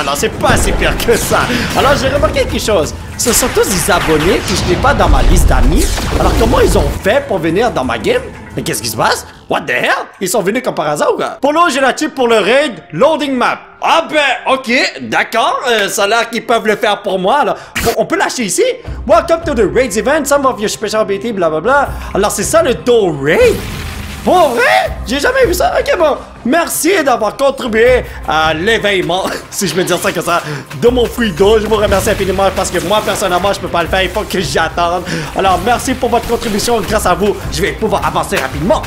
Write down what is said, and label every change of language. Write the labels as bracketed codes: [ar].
[fr] Alors, c'est pas si pire que ça. Alors, j'ai remarqué quelque chose. Ce sont tous des abonnés que je n'ai pas dans ma liste d'amis. Alors, comment ils ont fait pour venir dans ma game? Mais qu'est-ce qui se passe? [en] What the hell? [fr] Ils sont venus comme par hasard ou quoi? Polo, j'ai la chip pour le raid loading map. Ah ben, ok, d'accord. Ça a l'air qu'ils peuvent le faire pour moi. Alors, bon, on peut lâcher ici? [en] Welcome to the raid event. Some of your special ability, blablabla. [fr] Alors, c'est ça le dough raid? Pour vrai? J'ai jamais vu ça. Ok, bon. Merci d'avoir contribué à l'éveillement, si je peux dire ça comme ça, de mon fruit d'eau. Je vous remercie infiniment parce que moi, personnellement, je peux pas le faire. Il faut que j'attende. Alors, merci pour votre contribution. Grâce à vous, je vais pouvoir avancer rapidement.